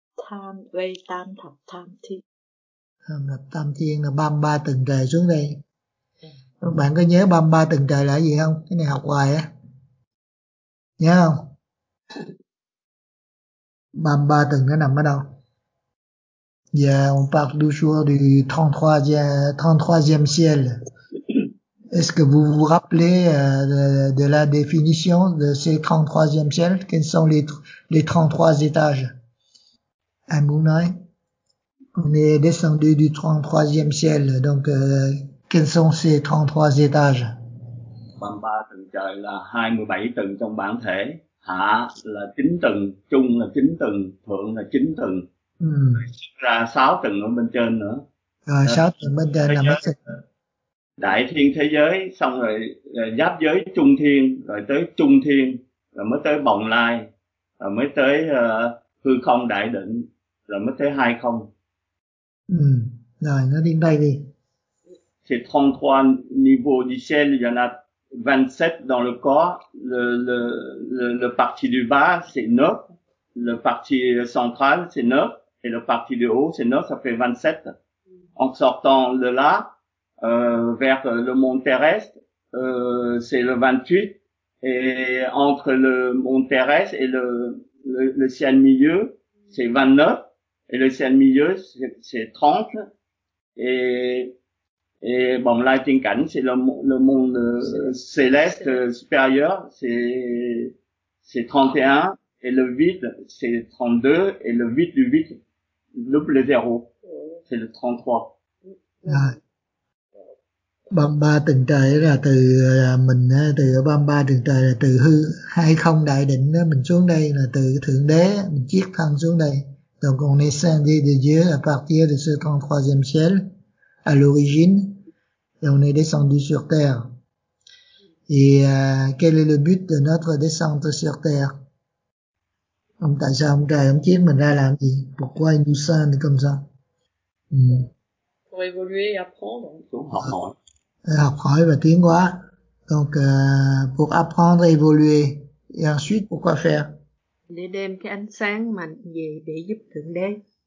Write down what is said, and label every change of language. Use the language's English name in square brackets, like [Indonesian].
[Vietnamese] Tam vây tam thập tam thiên. Tam thập tam thiên là 33 tầng trời xuống đây. Bạn có nhớ 33 tầng trời là gì không? Cái này học hoài á. Nhớ không? 33 tầng nó nằm ở đâu? [French] Yeah, on parle toujours du 33e ciel. Est-ce que vous vous rappelez de la définition de ces 33e ciel? Quels sont les 33 étages? À Moonai, on est descendu du 33e ciel. Donc, quels sont ces 33 étages? [Vietnamese] 33 tầng trời là 27 tầng trong bản thể, hạ là 9 tầng, trung là 9 tầng, thượng là 9 tầng, ra 6 tầng ở bên trên nữa. Rồi Đại sáu tầng bên trên thiên là mấy tầng? thế giới, xong rồi giáp giới trung thiên, rồi tới trung thiên, rồi mới tới bồng lai, rồi mới tới hư không đại định, rồi mới tới hai không. Rồi nó đi bay đi. [French] C'est 33 niveaux du ciel, il y en a 27 dans le corps, le parti du bas c'est 9, le parti central c'est 9, et le parti du haut c'est 9, ça fait 27. En sortant de là, vers le monde terrestre, c'est le 28, et entre le monde terrestre et le ciel milieu, c'est 29, et le ciel milieu, c'est 30, et bon, là, Tinh Cảnh, c'est le monde céleste supérieur, c'est 31, et le vide, c'est 32, et le vide du vide, double zéro, c'est le 33. [Vietnamese] À, 33 tầng trời là từ 33 tầng trời là từ hư hay không đại định đó, mình xuống đây là từ thượng đế mình chiết thân xuống đây, [French] donc on descend [Vietnamese] đi từ dưới là [French] partir de ce 33e ciel à l'origine et on est descendu sur terre. Et quel est le but de notre descente sur terre? [Vietnamese] Ông tại sao ông trời ông chiết mình ra làm gì? [French] Pourquoi il nous sent comme ça? Pour évoluer et apprendre. Pour apprendre. [Vietnamese] Học hỏi và tiến hóa. [French] Donc, pour apprendre et évoluer. Et ensuite, pourquoi faire? [Vietnamese] Để đem cái ánh sáng mạnh về để giúp Thượng Đế.